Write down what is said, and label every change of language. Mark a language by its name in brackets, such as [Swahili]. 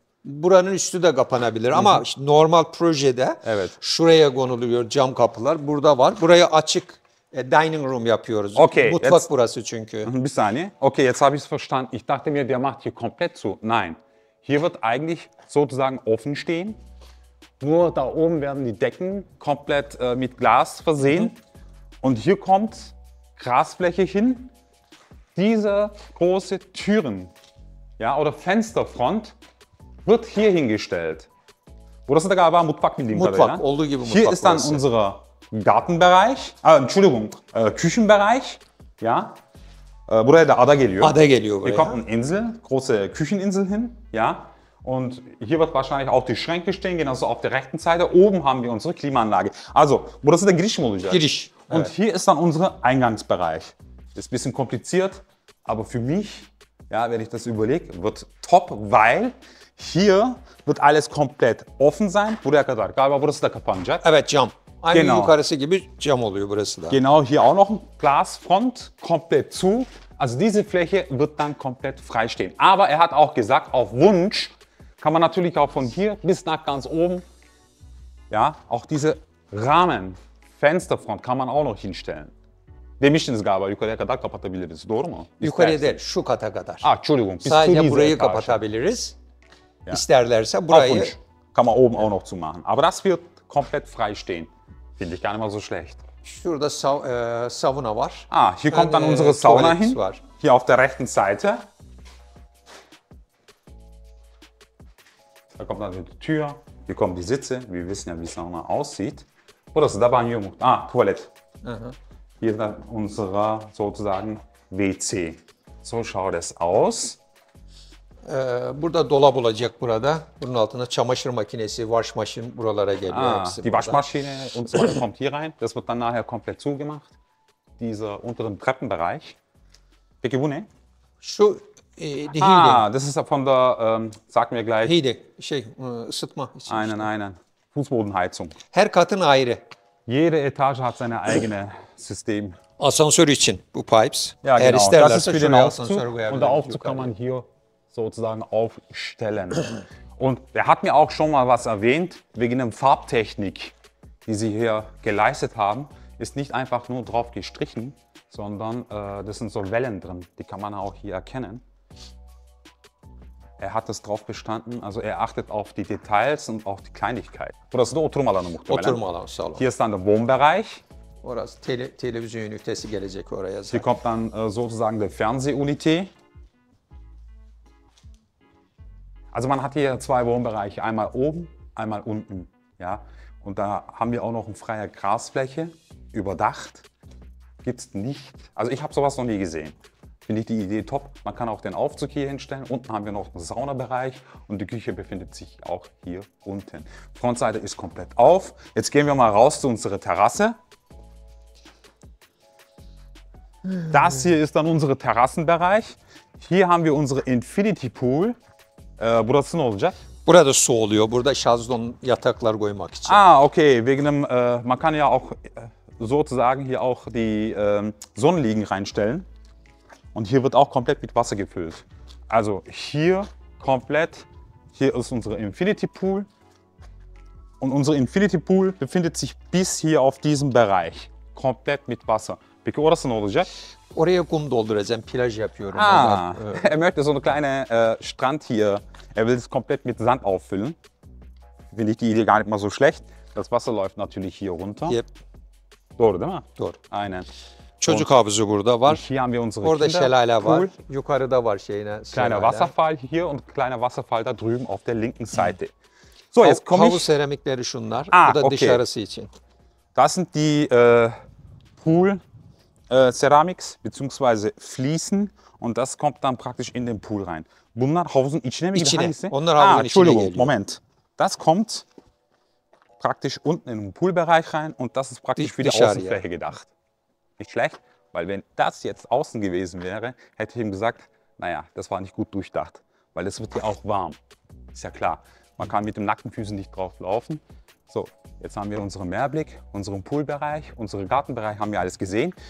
[Turkish] Buranın üstü de kapanabilir ama işte normal projede evet. Şuraya konuluyor cam kapılar. Burada var. Buraya açık dining room yapıyoruz. Okay, mutfak burası çünkü. Bir saniye. [German] Okay, jetzt habe ich verstanden. Ich dachte mir, der macht hier komplett zu. Nein. Hier wird eigentlich sozusagen offen stehen. Nur da oben werden die Decken komplett mit Glas versehen. Und hier kommt Grasfläche hin. Diese große Türen, ja, oder Fensterfront wird hier hingestellt. [Turkish] Burası da galiba mutfak bildiğim kadarıyla. Mutfak, olduğu gibi mutfak. [German] Hier ist dann unser Gartenbereich. [Turkish] Küchenbereich. Ja. Buraya da ada geliyor. Ada geliyor buraya. [German] Hier kommt eine Insel, große Kücheninsel hin, ja. Und hier wird wahrscheinlich auch die Schränke stehen, genauso auf der rechten Seite. Oben haben wir unsere Klimaanlage. [Turkish] Also, burası da giriş mi olacak? Giriş. Und evet. [German] Hier ist dann unser Eingangsbereich. Ist ein bisschen kompliziert, aber für mich, ja, wenn ich das überlege, wird top, weil hier wird alles komplett offen sein. [Turkish] Buraya kadar. Galiba burası da kapanacak. Evet, cam. Aynı genau. Yukarısı gibi cam oluyor burası da. [German] Genau, hier auch noch ein Glasfront, komplett zu. Also diese Fläche wird dann komplett frei stehen. Aber er hat auch gesagt, auf Wunsch kann man natürlich auch von hier bis nach ganz oben, ja, auch diese Rahmen, Fensterfront kann man auch noch hinstellen. [Turkish] Demiştiniz galiba yukarıya kadar kapatabiliriz, doğru mu? Yukarıya değil, şu kata kadar. [German] Ah, Entschuldigung. [Turkish] Sadece burayı kapatabiliriz. Ja. İsterlerse burayı... [German] Auf Wunsch kann man oben auch noch zumachen. Aber das wird komplett frei stehen. Finde ich gar nicht mal so schlecht. [Turkish] Şurada sauna var. [German] Ah, hier yani kommt dann unsere sauna hin. Var. Hier auf der rechten Seite. Da kommt dann die Tür. Hier kommen die Sitze. Wir wissen ja, wie sauna aussieht. [Turkish] Burası da banyo mu? Ah, tuvalet. [German] Hier dann unsere sozusagen WC. So schaut es aus. [Turkish] Burada dolap olacak burada. Bunun altında çamaşır makinesi, waschmaschine buralara geliyor. Hepsi [German] die waschmaschine und so weiter kommt hier rein. Das wird dann nachher komplett zugemacht. Dieser unteren Treppenbereich. [Turkish] Peki bu ne? Şu die Hide. [German] Ah, das ist von der, sag mir gleich. [Turkish] Hide, şey, ısıtma. Aynen, aynen. Fußbodenheizung. Her katın ayrı. [German] Jede Etage hat seine eigene System. [Turkish] Asansör için bu pipes. [German] Ja, her genau. Das ist für den Aufzug. Und der Aufzug kann man hier sozusagen aufstellen. Und er hat mir auch schon mal was erwähnt, wegen der Farbtechnik, die sie hier geleistet haben, ist nicht einfach nur drauf gestrichen, sondern das sind so Wellen drin, die kann man auch hier erkennen. Er hat das drauf bestanden, also er achtet auf die Details und auch die Kleinigkeit. [Turkish] Burası da oturma alanı muhtemelen. Oturma alanı, sağ olun. [German] Hier ist dann der Wohnbereich. [Turkish] Orası televizyon ünitesi gelecek oraya. [German] Hier kommt dann sozusagen der Fernsehunité. Also man hat hier zwei Wohnbereiche, einmal oben, einmal unten, ja. Und da haben wir auch noch eine freie Grasfläche, überdacht, gibt's nicht. Also ich habe sowas noch nie gesehen. Finde ich die Idee top. Man kann auch den Aufzug hier hinstellen. Unten haben wir noch einen Saunabereich und die Küche befindet sich auch hier unten. Frontseite ist komplett auf. Jetzt gehen wir mal raus zu unserer Terrasse. Das hier ist dann unser Terrassenbereich. Hier haben wir unsere Infinity Pool. [Turkish] Burası ne olacak? Burada su oluyor. Burada şazlon yataklar koymak için. Ah, okay. [German] Wegen dem, man kann ja auch sozusagen hier auch die Sonnenliegen reinstellen. Und hier wird auch komplett mit Wasser gefüllt. Also hier komplett, hier ist unser Infinity Pool. Und unser Infinity Pool befindet sich bis hier auf diesem Bereich. Komplett mit Wasser. [Turkish] Peki orası ne olacak? Oraya kum dolduracağım, plaj yapıyorum. [German] Ah, er möchte so eine kleine Strand hier. Er will es komplett mit Sand auffüllen. Finde ich die Idee gar nicht mal so schlecht. Das Wasser läuft natürlich hier runter. Yep. [Turkish] Doğru değil mi? Doğru. Aynen. Çocuk havuzu burada var. [German] Hier haben wir unsere [Turkish] orada şelale var. Pool. Yukarıda var şeyine. [German] Kleiner [Turkish] şelale. [German] Wasserfall hier und kleiner Wasserfall da drüben auf der linken Seite. So, jetzt komme ich. [Turkish] Havuz seramikleri şunlar. Ah, bu da okay. Dışarısı için. [German] Das sind die Pool. Ceramics bzw. Fliesen und das kommt dann praktisch in den Pool rein. [Turkish] Bunlar havuzun içine mi gibi hangisi? Onlar havuzun içine geliyor. [German] Entschuldigung, Moment. Das kommt praktisch unten in den Poolbereich rein und das ist praktisch für die Außenfläche gedacht. Nicht schlecht, weil wenn das jetzt außen gewesen wäre, hätte ich ihm gesagt, naja, das war nicht gut durchdacht, weil es wird ja auch warm. Ist ja klar. Man kann mit den nackten Füßen nicht drauf laufen. So, jetzt haben wir unseren Meerblick, unseren Poolbereich, unseren Gartenbereich, haben wir alles gesehen.